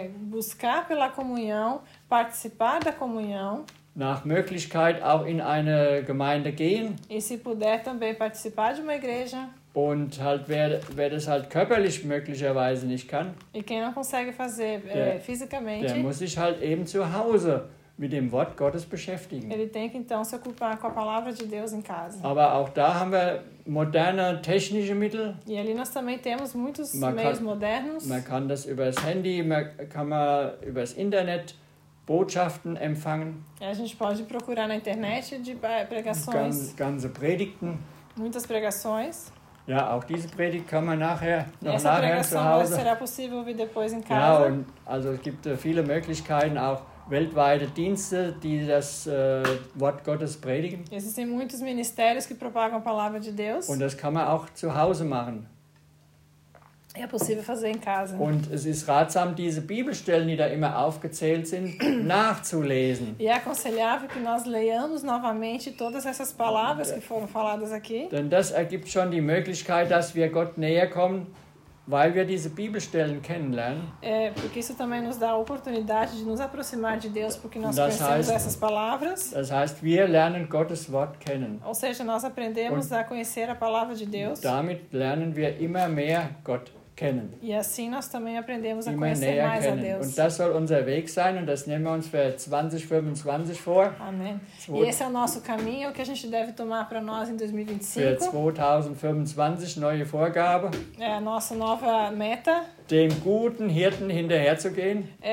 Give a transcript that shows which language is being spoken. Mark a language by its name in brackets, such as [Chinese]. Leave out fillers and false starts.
[Portuguese] Buscar pela comunhão, participar da comunhão. [German] Nach Möglichkeit auch in eine Gemeinde gehen. [Portuguese] E se puder também participar de uma igreja. [German] Und halt wer das halt körperlich möglicherweise nicht kann. [Portuguese] E quem não consegue fazer fisicamente. [German] Der muss sich halt eben zu Hause mit dem Wort Gottes beschäftigen. [Portuguese] Ele tem que então se ocupar com a palavra de Deus em casa. [German] Aber auch da haben wir moderne technische Mittel. [Portuguese] E ali nós também temos muitos meios modernos. [German] Man kann das über das Handy, man kann über das Internet Botschaften empfangen. [Portuguese] A gente pode procurar na internet de pregações. [German] Ganze Predigten. [Portuguese] Muitas pregações. [German] Ja, auch diese Predigt kann man nachher noch nachher zu Hause. [Portuguese] Será possível ouvir depois em casa. [German] Ja, und also es gibt viele Möglichkeiten auch weltweite Dienste, die das Wort Gottes predigen. [Portuguese] Existem muitos ministérios que propagam a palavra de Deus. [German] Und das kann man auch zu Hause machen. [Portuguese] É possível fazer em casa. [German] Und es ist ratsam, diese Bibelstellen, die da immer aufgezählt sind, nachzulesen. [Portuguese] E é aconselhável que nós leamos novamente todas essas palavras que foram faladas aqui. [German] Denn das ergibt schon die Möglichkeit, dass wir Gott näher kommen, weil wir diese Bibelstellen kennenlernen. [Portuguese] Porque isso também nos dá a oportunidade de nos aproximar de Deus, porque nós das conhecemos [German] heißt, [Portuguese] essas palavras. [German] Das heißt, wir lernen Gottes Wort kennen. [Portuguese] Ou seja, nós aprendemos a conhecer a palavra de Deus. [German] Damit lernen wir immer mehr Gott kennen. [Portuguese] E assim nós também aprendemos [German] immer [Portuguese] a conhecer mais [German] kennen. [Portuguese] A Deus. [German] Und das soll unser Weg sein und das nehmen wir uns für 2025 vor. Amen. [Portuguese] E esse é o nosso caminho que a gente deve tomar para nós em 2025. [German] Für 2025 neue Vorgabe. [Portuguese] É a nossa nova meta. [German] Dem guten Hirten hinterherzugehen.